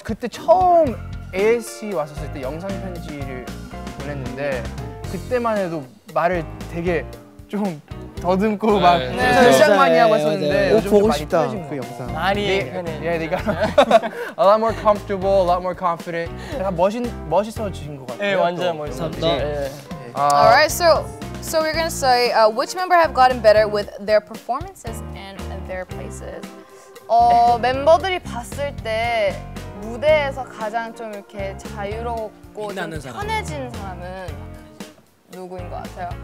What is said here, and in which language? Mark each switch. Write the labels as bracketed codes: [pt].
[ko] 그때 처음 ASC 왔었을 때 영상 편지를 보냈는데 그때만 해도 말을 되게 좀 더듬고 막 절상 많이 하고 있었는데 보고 싶다 그 영상 많이 [en] Yeah, they got a lot more comfortable, a lot more confident. [ko] 약간 멋있어진 것 같아요. 네, 완전 멋있었죠. [en] All right, so we're gonna say which member have gotten better with their performances and their places. [ko] 멤버들이 봤을 때 무대에서 가장 좀 이렇게 자유롭고 좀 편해진 사람은 누구인 것 같아요?